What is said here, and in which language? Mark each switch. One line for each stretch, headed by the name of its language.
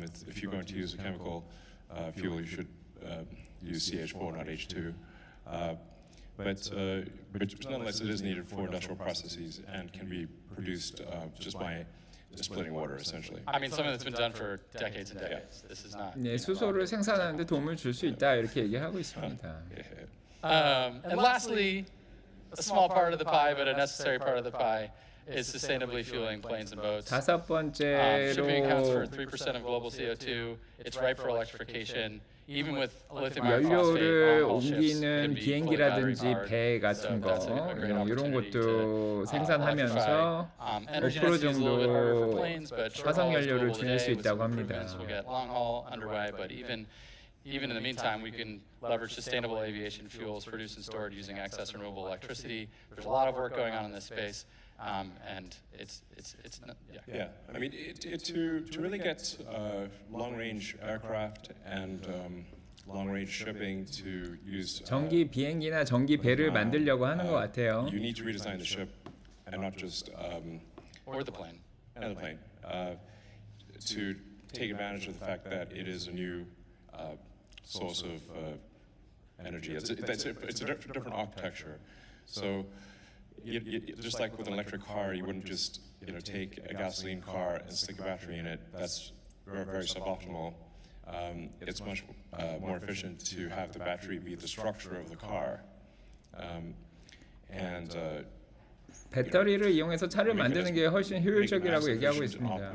English: If you're going to use a chemical fuel, you should use CH4, not H2. But nonetheless, it is needed for industrial processes and can be produced just by splitting water, essentially. I mean, something that's been done for decades and decades. Yeah. This is not.
Korean: 네, 수소를 생산하는 데 도움을 줄 수 있다 이렇게 얘기하고 있습니다.
English: And lastly, a small part of the pie, but a necessary part of the pie, is sustainably fueling planes and boats.
Korean: 다섯 번째로
English: shipping accounts for 3% of global CO2. It's ripe for electrification. Even with lithium-ion phosphate on ships, can be fully battery-powered. So that's a great opportunity to electrify. Energy is a little bit harder for planes, but short-haul is doable today. With some improvements, we'll get long-haul underway. But even in the meantime, we can leverage sustainable aviation fuels produced and stored using excess renewable electricity. There's a lot of work going on in this space, and it's not, yeah. Yeah, I mean, to really get long-range aircraft and long-range shipping to use
Korean: 전기 비행기나 전기 배를 만들려고 하는 것 같아요.
English: You need to redesign the ship and not just or the plane and the plane to take advantage of the fact that it is a new source of energy. It's a different architecture, so. Just like with an electric car, you wouldn't just take a gasoline car and stick a battery in it. That's very, very suboptimal. It's much more efficient to have the battery be the structure of the car, And
Korean: 배터리를 이용해서 차를 만드는 게 훨씬 효율적이라고 얘기하고 있습니다.